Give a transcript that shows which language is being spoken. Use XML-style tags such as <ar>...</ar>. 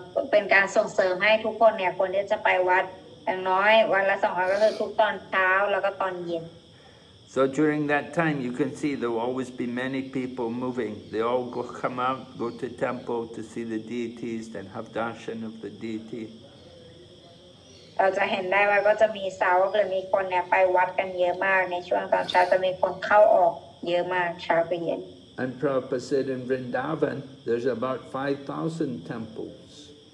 <th>เป็นการส่งเสริมให้ทุกคนเนี่ยคนที่จะไปวัดอย่างน้อยวันละสองครั้งก็คือทุกตอนเช้าแล้วก็ตอนเย็น</th> <en>So during that time you can see there will always be many people moving they all go come out go to temple to see the deities then have darshan of the deity</en> <th>เราจะเห็นได้ว่าก็จะมีสาวกหรือมีคนเนี่ยไปวัดกันเยอะมากในช่วงตอนเช้าจะมีคนเข้าออกเยอะมากเช้าไปเย็น</th> <en>And Prabhupada said in Vrindavan, there's about 5,000 temples.</en>